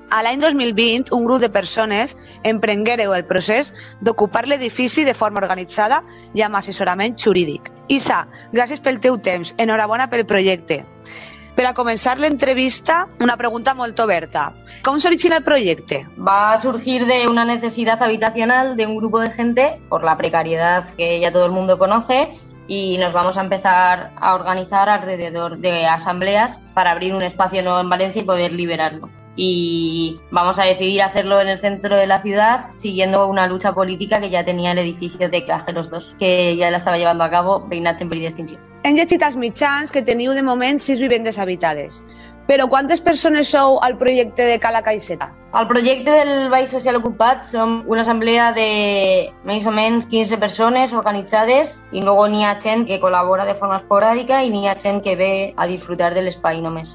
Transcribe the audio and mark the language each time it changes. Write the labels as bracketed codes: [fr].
[ca] A l'any 2020, un grup de persones emprenguereu el procés d'ocupar l'edifici de forma organitzada i amb assessorament jurídic. Isa, gràcies pel teu temps. Enhorabona pel projecte. Per a començar l'entrevista, una pregunta molt oberta. Com s'origina el projecte? Va sorgir [es] de una necessitat habitacional de un grupo de gente por la precariedad que ya todo el mundo conoce y nos vamos a empezar a organizar alrededor de asambleas para abrir un espacio nuevo en Valencia y poder liberarlo. y vamos a decidir hacerlo en el centro de la ciudad, siguiendo una lucha política que ya tenía el edificio de Cajeros 2, que ya la estaba llevando a cabo Veïnat en Perill d'Extinció. [ca] Hem llegit als mitjans que teniu de moment 6 vivendes habitades. Però quantes persones sou al projecte de Cala Caixeta? Al projecte del Baix Social Ocupat som una assemblea de més o menys 15 persones organitzades i luego n'hi ha gent que col·labora de forma esporàdica i n'hi ha gent que ve a disfrutar de l'espai només.